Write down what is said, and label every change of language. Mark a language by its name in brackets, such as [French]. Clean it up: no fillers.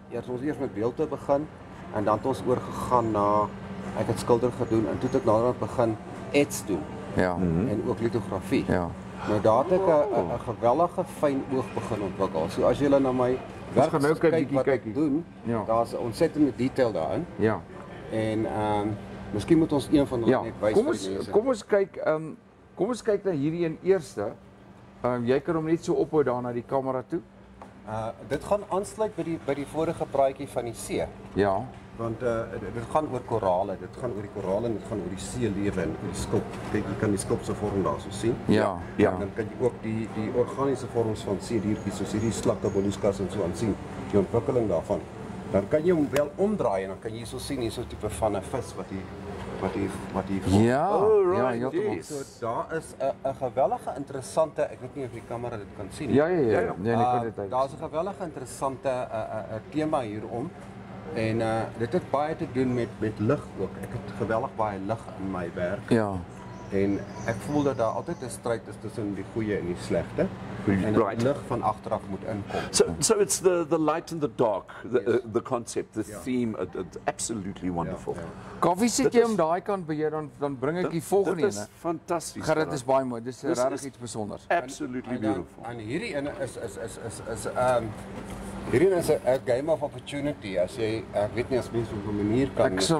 [Afrikaans] Eers ons eers met beeldhou begin en dan het ons oorgegaan na ek het skilder gedoen en toe het ek naderhand begin ets doen. Ja. En ook litografie. Ja. Nou daar het ek 'n geweldige fyn oog begin ontwikkel. So as jy na my werk kyk wat ek doen, ja. Daar's 'n ontsettende detail daarin. Ja. En miskien moet ons een van hulle ja. Net wys. Kom ons kyk na hierdie een eerste. Jy kan hom net so ophou daar na die kamera toe. Dit gaan aansluit by die vorige praatjie van die see. Ja. Want dit gaan oor korale, dit gaan oor die korale en dit gaan oor die seelewe en die skulp. Kyk, jy kan die skulp se vorm daar so sien. Ja. Ja. En dan kan jy ook die organiese vorms van seediertjies soos hierdie slakke, molluskas en so aan sien. Die ontwikkeling daarvan. Dan kan jy hom wel omdraai en dan kan jy hierso sien hierso tipe van 'n vis wat hier ja, [English] oh, right, [Afrikaans] ja, jy het so daar is 'n gewellige interessante, ek weet nie of die kamera dit kan sien nie. Ja, ja, ja. Nee, ek kan dit uit. Daar's 'n gewellige interessante 'n tema hierom en dit het baie te doen met lig ook. Ek het gewellig baie lig in my werk. Ja. En ek voel dat daar altyd 'n stryd is tussen die goeie en die slegte. En [English] right. [Afrikaans] Die lig van agteraf moet inkom. [English] So it's the light and the dark, the concept, the ja. Theme, it's absolutely wonderful. [Afrikaans] Ja, ja. Koffie sit jy om daai kant beheer dan bring ek die volgende een. Dit is fantasties. Gaan dit is baie mooi. Dis regtig iets besonders. [English] Absolutely beautiful. [Afrikaans] En hierdie een is 'n [English] game of opportunity [Afrikaans] as jy ek weet nie as mens op 'n manier kan